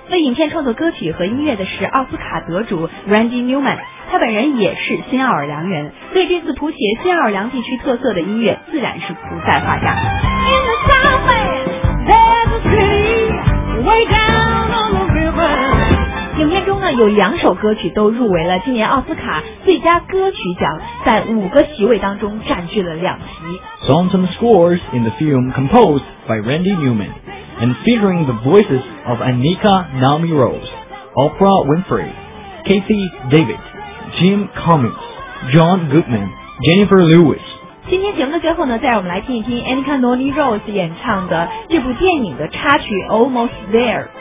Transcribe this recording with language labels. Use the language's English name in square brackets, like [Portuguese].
[Chinese] 为影片创作歌曲和音乐的是奥斯卡得主 Randy Newman， 他本人也是新奥尔良人，所以这次谱写新奥尔良地区特色的音乐自然是不在话下。 [English] In the summer, there's a city, way down on the river, yeah. [Chinese] 影片中呢有两首歌曲都入围了今年奥斯卡最佳歌曲奖，在五个席位当中占据了两席。 [English] Songs and scores in the film composed by Randy Newman and featuring the voices of Anika Naomi Rose, Oprah Winfrey, Kathy David, Jim Cummings, John Goodman, Jennifer Lewis。 [Chinese] 今天节目的最后呢，再让我们来听一听 Anika Naomi Rose 演唱的这部电影的插曲 Almost There。